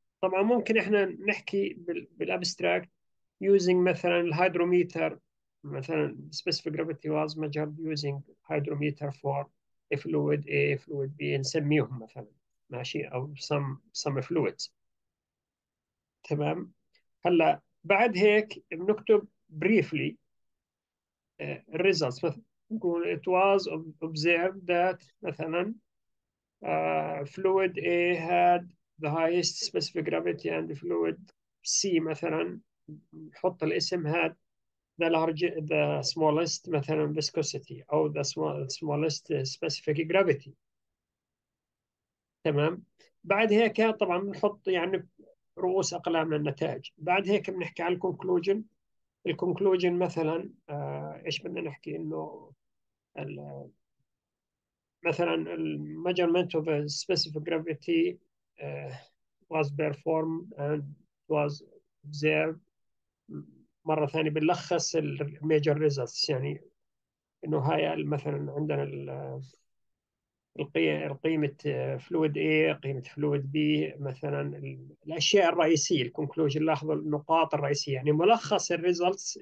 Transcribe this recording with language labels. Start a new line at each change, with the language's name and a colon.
Arabic: طبعا ممكن احنا نحكي بالابستراكت يوزنج مثلا الهيدروميتر، مثلا
English: specific gravity was measured using hydrometer for a fluid A, fluid B
Arabic: نسميهم مثلا، ماشي؟ أو
English: some fluids،
Arabic: تمام؟ هلا بعد هيك بنكتب
English: briefly results،
Arabic: مثلا نقول
English: it was observed that مثلا fluid A had the highest specific gravity and fluid C مثلا،
Arabic: نحط الاسم
English: had the largest the smallest مثلا viscosity أو the smallest specific gravity.
Arabic: تمام، بعد هيك طبعا بنحط يعني رؤوس أقلام النتائج. بعد هيك بنحكي على الكونكلوجن. الكونكلوجن مثلا ايش بدنا نحكي؟ انه مثلا الـ
English: measurement of a specific gravity was performed and was observed.
Arabic: مرة ثانية بنلخص الـ
English: major results،
Arabic: يعني انه هاي مثلا عندنا الـ قيمة فلويد A، قيمة فلويد B، مثلا الأشياء الرئيسية، الكونكلوجن، لاحظوا النقاط الرئيسية، يعني ملخص الريزلتس.